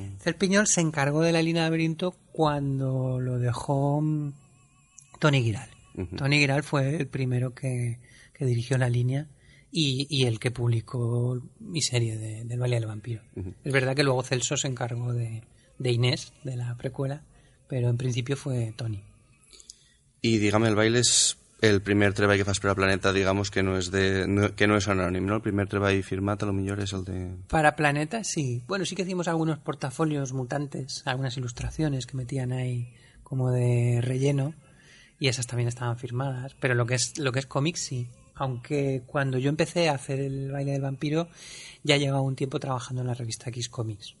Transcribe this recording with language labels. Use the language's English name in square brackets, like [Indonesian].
[Spanish] Cel Piñol se encargó de la línea de Laberinto cuando lo dejó Toni Giral. Toni Giral fue el primero que dirigió la línea y el que publicó mi serie del Valle del Vampiro. Es verdad que luego Celso se encargó de Inés, de la precuela, pero en principio fue Toni. Y dígame, [Catalan] el baile es el primer treball que fas per a Planeta, digamos, que no és anònim, ¿no? El primer treball firmat, a lo millor, és el de... [Spanish] Para Planeta, sí. Bueno, sí que hicimos algunos portafolios mutantes, algunas ilustraciones que metían ahí como de relleno, y esas también estaban firmadas, pero lo que es cómic, sí. Aunque cuando yo empecé a hacer el baile del vampiro, ya llevaba un tiempo trabajando en la revista X Comics.